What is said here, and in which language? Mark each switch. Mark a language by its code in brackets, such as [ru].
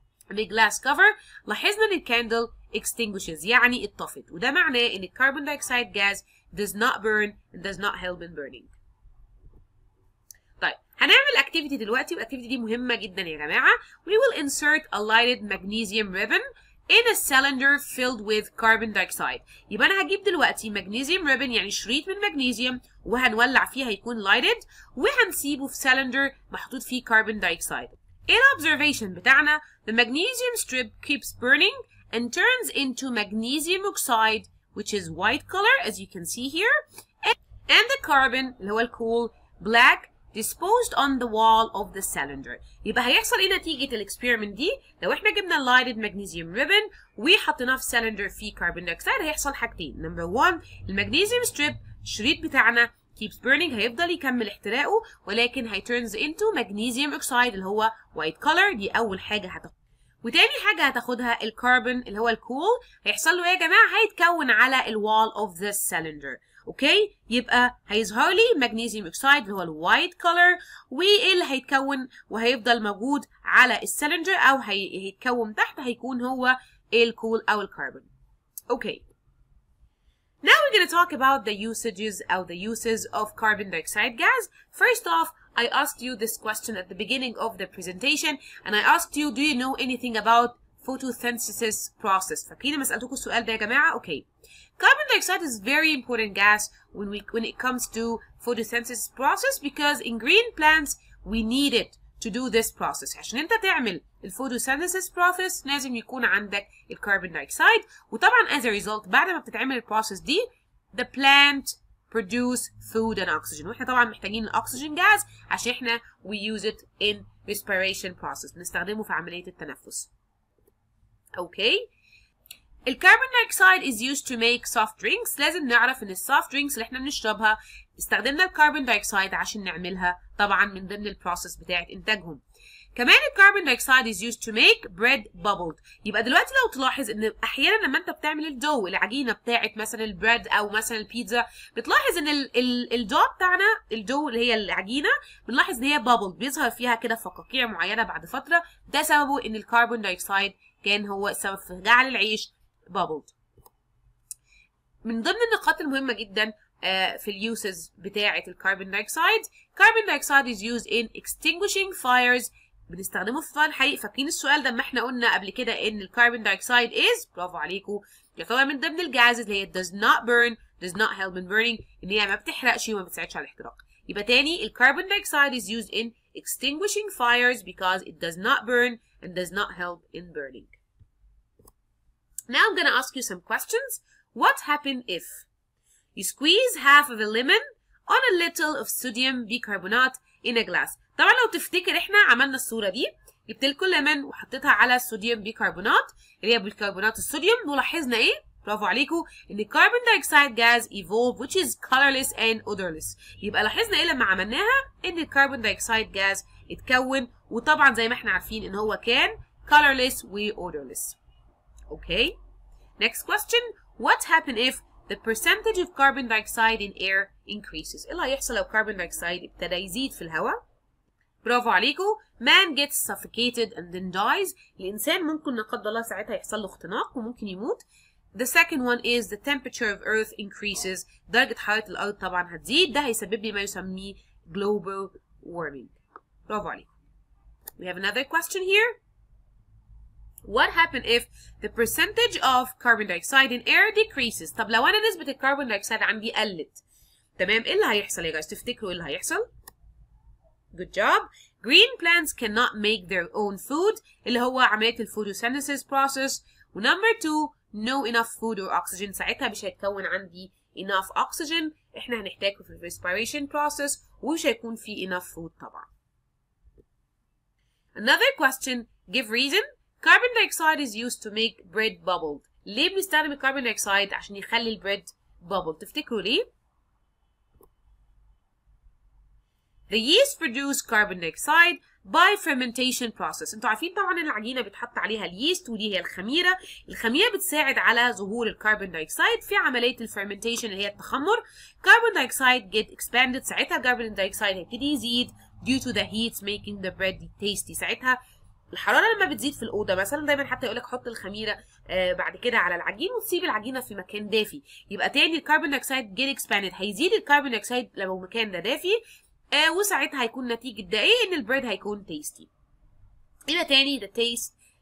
[ar] بجلاس كفر لاحظنا ان الكاندل extinguishes يعني اتطفت وده معناه ان الكربون دايكسايد جاز [en] does not burn and does not help in burning [ar] هنعمل activity دلوقتي والactivity دي مهمة جدا يا جماعة. [en] We will insert a lighted magnesium ribbon in a cylinder filled with carbon dioxide. [ar] يبقى انا هجيب دلوقتي magnesium ribbon يعني شريط من magnesium وهنولع فيها يكون lighted وهنسيبه في cylinder محطوط فيه carbon dioxide. [en] In observation [ar] بتاعنا [en] the magnesium strip keeps burning and turns into magnesium oxide which is white color as you can see here and the carbon [ar] اللي هو الكول [en] black disposed on the wall of the cylinder. [ar] يبقى هيحصل ايه نتيجة الاكسبيرمنت دي؟ لو احنا جبنا lighted magnesium ribbon وحطيناه في cylinder فيه carbon dioxide هيحصل حاجتين. [en] Number one, [ar] المagnesium strip الشريط بتاعنا [en] keeps burning [ar] هيفضل يكمل احتراقه ولكن هي [en] turns into magnesium oxide [ar] اللي هو [en] white color. [ar] دي أول حاجة هتاخدها. وتاني حاجة هتاخدها الكربون اللي هو الكول هيحصل له ايه يا جماعة؟ هيتكون على ال [en] wall of the cylinder. [ar] اوكي يبقى هيظهر لي magnesium oxide اللي هو الوايت كولر واللي هيتكون وهيفضل موجود على السلندر او هيتكون تحت هيكون هو الكول او الكربون. [en] Okay now we're gonna talk about the usages or the uses of carbon dioxide gas. First off, I asked you this question at the beginning of the presentation and I asked you, do you know anything about photosynthesis process? [ar] فاكرين ما سألتكم السؤال ده يا جماعة؟ [en] Okay Carbon dioxide is very important gas when it comes to photosynthesis process because in green plants we need it to do this process. [ar] عشان انت تعمل ال photosynthesis process لازم يكون عندك ال carbon dioxide وطبعا [en] as a result [ar] بعد ما بتتعمل ال process دي [en] the plant produce food and oxygen [ar] واحنا طبعا محتاجين ال oxygen gas عشان احنا [en] we use it in respiration process [ar] بنستخدمه في عملية التنفس. [en] Okay. [ar] الكربون دايوكسيد [en] is used to make soft drinks. [ar] لازم نعرف ان السوفت درينكس اللي احنا بنشربها استخدمنا الكربون دايوكسيد عشان نعملها طبعا من ضمن البروسيس بتاعت انتاجهم. كمان الكربون دايوكسيد [en] is used to make bread bubbled. [ar] يبقى دلوقتي لو تلاحظ ان احيانا لما انت بتعمل الدو العجينه بتاعت مثلا البريد او مثلا البيتزا بتلاحظ ان الدو بتاعنا الدو اللي هي العجينه بنلاحظ ان هي bubbled بيظهر فيها كده فقاقيع معينه بعد فتره ده سببه ان الكربون دايوكسيد كان هو سبب في جعل العيش bubbled. من ضمن النقاط المهمة جدا في الـ uses بتاعة الكربون دايوكسيد، الكربون دايوكسيد [en] is used in extinguishing fires [ar] بنستخدمه في الحريق، فاكرين السؤال ده ما احنا قلنا قبل كده ان الكربون دايوكسيد is برافو عليكم يعتبر من ضمن الغازز اللي هي [en] does not burn does not help in burning [ar] ان هي ما بتحرقش وما بتساعدش على الاحتراق. يبقى تاني الكربون دايوكسيد [en] is used in extinguishing fires because it does not burn and does not help in burning. Now I'm going to ask you some questions. What happens if you squeeze half of a lemon on a little of sodium bicarbonate in a glass? [ar] طبعا لو تفتكر احنا عملنا الصورة دي جبت لكم ليمون وحطيتها على الصوديوم بيكربونات اللي هي بيكربونات الصوديوم ولاحظنا ايه؟ برافو عليكو ان الكربون دايوكسيد جاز ايفولف [en] which is colorless and odorless. [ar] يبقى لاحظنا ايه لما عملناها؟ ان الكربون دايوكسيد جاز اتكون وطبعا زي ما احنا عارفين ان هو كان [en] colorless [ar] و [en] odorless. Okay, next question. What happens if the percentage of carbon dioxide in air increases? [ar] إلا يحصل لو carbon dioxide ابتدى يزيد في الهواء. برافو عليكو. [en] Man gets suffocated and then dies. [ar] الإنسان ممكن نقدر الله ساعتها يحصل له اختناق وممكن يموت. [en] The second one is the temperature of earth increases. [ar] درجة حرارة الأرض طبعا هتزيد. ده هيسبب لي ما يسميه global warming. برافو عليكو. [en] We have another question here. What happens if the percentage of carbon dioxide in air decreases? [ar] طب لو انا نسبة الكربون دايوكسيد عندي قلت تمام ايه اللي هيحصل يا جايز تفتكروا ايه اللي هيحصل؟ [en] Good job. Green plants cannot make their own food [ar] اللي هو عملية الفوتوسينثيسيس [en] process. Number two, no enough food or oxygen [ar] ساعتها مش هيتكون عندي [en] enough oxygen [ar] احنا هنحتاجه في respiration process ومش هيكون في [en] enough food [ar] طبعا. [en] Another question, give reason. Carbon dioxide is used to make bread bubbled. [ar] ليه بنستخدم الكربون دايوكسيد عشان يخلي البريد bubble؟ تفتكروا ليه؟ [en] The yeast produce carbon dioxide by fermentation process. [ar] انتوا عارفين طبعا ان العجينه بيتحط عليها اليست ودي هي الخميره. الخميره بتساعد على ظهور الكربون دايوكسيد في عمليه الفرمنتيشن اللي هي التخمر. [en] Carbon dioxide get expanded [ar] ساعتها carbon dioxide هيبتدي يزيد [en] due to the heat making the bread tasty [ar] ساعتها الحرارة لما بتزيد في الأوضة مثلا دايما حتى يقولك حط الخميرة بعد كده على العجين وتسيب العجينة في مكان دافي يبقى تاني الكربون دايوكسيد [en] get expanded [ar] هيزيد الكربون دايوكسيد لو مكان ده دافي وساعتها هيكون نتيجة ده ايه ان البريد هيكون تيستي يبقى تاني [en] the taste